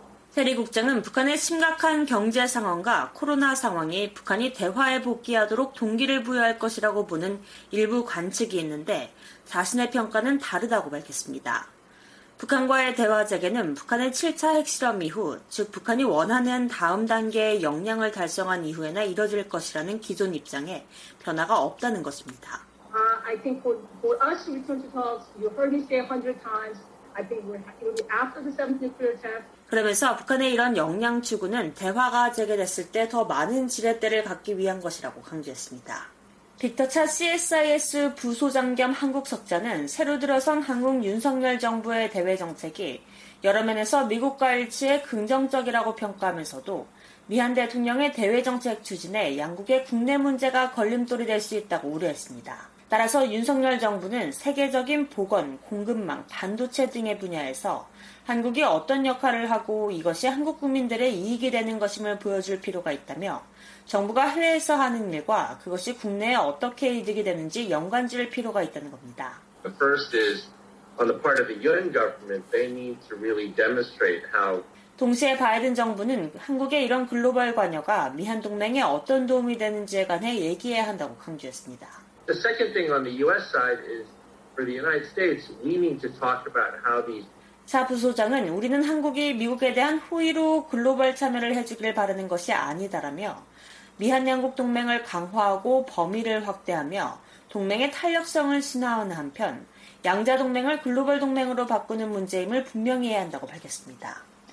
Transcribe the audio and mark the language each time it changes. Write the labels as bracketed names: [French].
[Korean] Terry 국장은 북한의 심각한 경제 상황과 코로나 상황이 북한이 대화에 복귀하도록 동기를 부여할 것이라고 보는 일부 관측이 있는데 자신의 평가는 다르다고 밝혔습니다. 북한과의 대화 재개는 북한의 7차 핵실험 이후, 즉 북한이 원하는 다음 단계의 역량을 달성한 이후에나 이뤄질 것이라는 기존 입장에 변화가 없다는 것입니다. [English] I think for us to return to talks, you heard me say 100 times. I think it'll be after the 7th nuclear test. [Korean] 그러면서 북한의 이런 역량 추구는 대화가 재개됐을 때 더 많은 지렛대를 갖기 위한 것이라고 강조했습니다. 빅터 차 CSIS 부소장 겸 한국 석자는 새로 들어선 한국 윤석열 정부의 대외 정책이 여러 면에서 미국과 일치해 긍정적이라고 평가하면서도 미한 대통령의 대외 정책 추진에 양국의 국내 문제가 걸림돌이 될 수 있다고 우려했습니다. 따라서 윤석열 정부는 세계적인 보건, 공급망, 반도체 등의 분야에서 한국이 어떤 역할을 하고 이것이 한국 국민들의 이익이 되는 것임을 보여줄 필요가 있다며 정부가 해외에서 하는 일과 그것이 국내에 어떻게 이득이 되는지 연관 지을 필요가 있다는 겁니다. [English] The first is on the part of the UN government, they need to really demonstrate how [Korean] 동시에 바이든 정부는 한국의 이런 글로벌 관여가 미한 동맹에 어떤 도움이 되는지에 관해 얘기해야 한다고 강조했습니다. [English] The second thing on the US side is for the United States, we need to talk about how these [Korean] 차 부소장은 우리는 한국이 미국에 대한 호의로 글로벌 참여를 해주길 바라는 것이 아니다라며 미한 양국 동맹을 강화하고 범위를 확대하며 동맹의 탄력성을 신화하는 한편 양자 동맹을 글로벌 동맹으로 바꾸는 문제임을 분명히 해야 한다고 밝혔습니다.